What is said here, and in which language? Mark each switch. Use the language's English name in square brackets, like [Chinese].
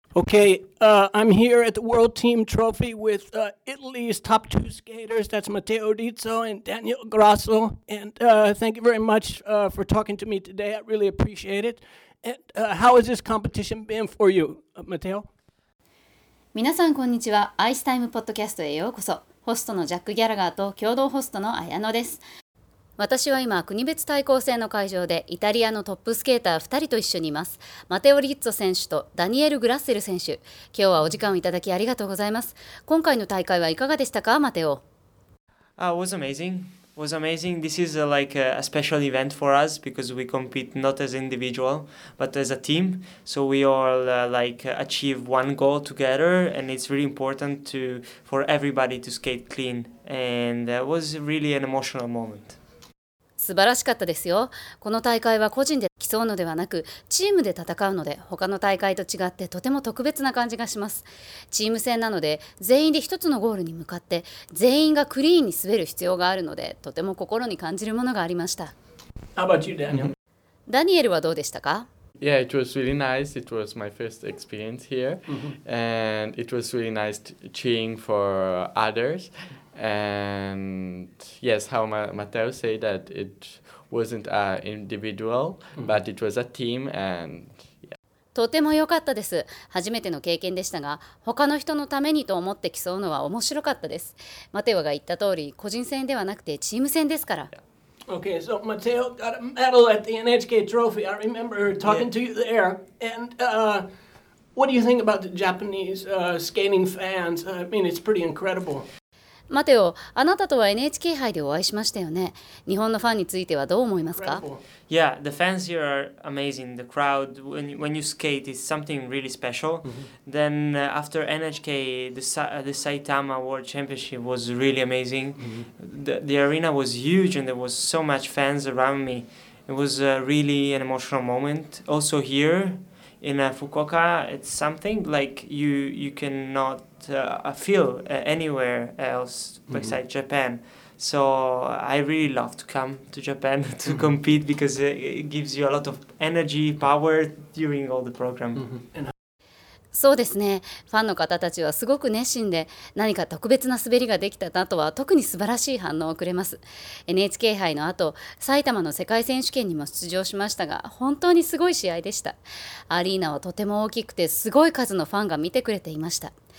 [English] Okay, I'm here at the World Team Trophy with Italy's top two skaters. That's Matteo Rizzo and Daniel Grasso. And thank you very much for talking to me today. I really appreciate it. And how has this competition been for you, Matteo? [Japanese] 皆さん、こんにちは。アイスタイムポッドキャストへようこそ。ホストのジャック・ギャラガーと共同ホストの綾乃です。私は今、国別対抗戦の会場でイタリアのトップスケーター2人と一緒にいます。マテオ・リッツォ選手とダニエル・グラッセル選手。今日はお時間をいただきありがとうございます。今回の大会はいかがでしたか、マテオ。 [English] It was amazing. This is like a special event for us because we compete not as individual but as a team. So we all like achieve one goal together and it's really important to, for everybody to skate clean. And it was really an emotional moment. [Japanese] 素晴らしかったですよ。この大会は個人で競うのではなく、チームで戦うので、他の大会と違ってとても特別な感じがします。チーム戦なので、全員で一つのゴールに向かって、全員がクリーンに滑る必要があるので、とても心に感じるものがありました。 [English] How about you, Daniel? [Japanese] ダニエルはどうでしたか? [English] Yeah, it was really nice. It was my first experience here. And it was really nice cheering for others. And yes, how Matteo said that it wasn't an individual, but it was a team. And yeah. [Japanese] とても良かったです。初めての経験でしたが、他の人のためにと思って競うのは面白かったです。 Matteo が言った通り、個人戦ではなくてチーム戦ですから。 [English] Yeah. Okay, so Matteo got a medal at the NHK Trophy. I remember talking to you there. And what do you think about the Japanese skating fans? I mean, it's pretty incredible. [Japanese] マテオ、あなたとは NHK 杯でお会いしましたよね。日本のファンについてはどう思いますか? [English] Yeah, the fans here are amazing. The crowd, when you skate, is something really special. Then after NHK, the Saitama World Championship was really amazing. The arena was huge and there was so much fans around me. It was really an emotional moment. Also here in Fukuoka, it's something like you cannot... feel anywhere else besides Japan. So I really love to come to Japan to compete because it gives you a lot of energy, power during all the program. [Japanese] そうですね。ファンの方たちはすごく熱心で、何か特別な滑りができたなとは特に素晴らしい反応をくれます。 NHK 杯の後、埼玉の世界選手権にも出場しましたが、本当にすごい試合でした。アリーナはとても大きくて、すごい数のファンが見てくれていました。